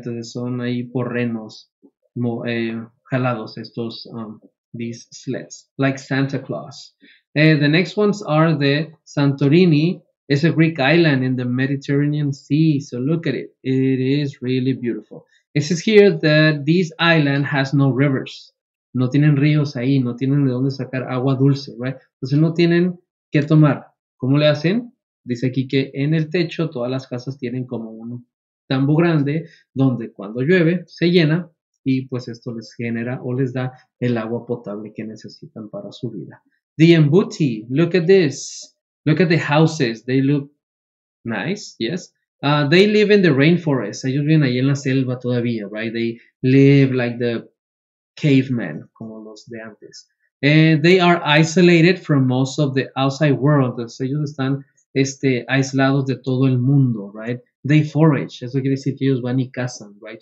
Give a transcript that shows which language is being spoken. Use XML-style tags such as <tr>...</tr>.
<es>Entonces son ahí por renos jalados estos</es> <en>these sleds, like Santa Claus. The next ones are the Santorini. It's a Greek island in the Mediterranean Sea. So look at it. It is really beautiful. It says here that this island has no rivers.</en> <es>No tienen ríos ahí. No tienen de dónde sacar agua dulce, right? Entonces no tienen qué tomar. ¿Cómo le hacen? Dice aquí que en el techo todas las casas tienen como un tambo grande donde cuando llueve se llena y pues esto les genera o les da el agua potable que necesitan para su vida.</es> <en>The Mbuti. Look at this. Look at the houses. They look nice, yes. They live in the rainforest.</en> <es>Ellos viven ahí en la selva todavía, right?</es> <en>They live like the cavemen,</en> <es>como los de antes.</es> <en>They are isolated from most of the outside world.</en> <es>Entonces, ellos están aislados de todo el mundo, right?</es> <en>They forage.</en> <es>Eso quiere decir que ellos van y cazan, right?</es>